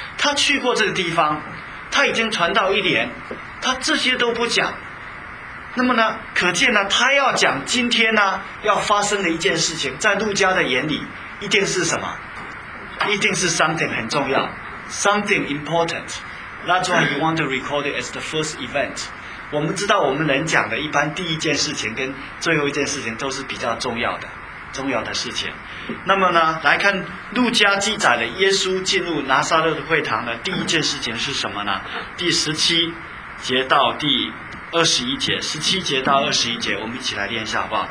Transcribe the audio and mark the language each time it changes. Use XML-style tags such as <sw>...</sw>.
<zh>他去过这个地方，他已经传道一年，他这些都不讲。那么呢，可见呢，他要讲今天呢要发生的一件事情，在路加的眼里一定是什么？一定是 something 很重要，</zh> <en>something important。 That's why you want to record it as the first event。</en> <zh>我们知道我们人讲的一般第一件事情跟最后一件事情都是比较重要的，重要的事情。那么呢，来看路加记载的耶稣进入拿撒勒的会堂的第一件事情是什么呢？第十七节到第二十一节，十七节到二十一节，我们一起来念一下好不好？</zh>